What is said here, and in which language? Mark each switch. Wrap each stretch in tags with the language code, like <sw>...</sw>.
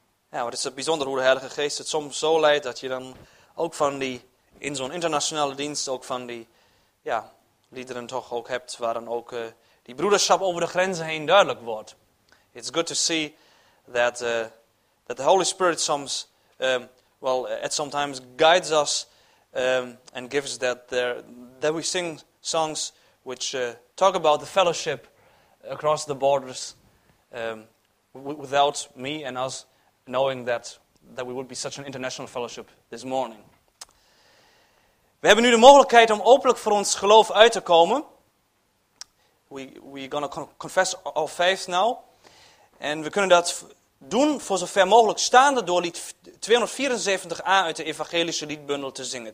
<nl>Ja, het is bijzonder hoe de Heilige Geest het soms zo leidt dat je dan ook van die, in zo'n internationale dienst, ook van die ja, liederen toch ook hebt, waar dan ook die broederschap over de grenzen heen duidelijk wordt.</nl> <en>It's good to see that that the Holy Spirit</en> <nl>soms,</nl> <en>well, it sometimes guides us and gives that that we sing songs which talk about the fellowship across the borders without me and us knowing that we would be such an international fellowship this morning.</en> <nl>We hebben nu de mogelijkheid om openlijk voor ons geloof uit te komen.</nl> <en>We're going to confess our faith now.</en> <nl>En we kunnen dat doen voor zover mogelijk staande door lied 274a uit de evangelische liedbundel te zingen.</nl>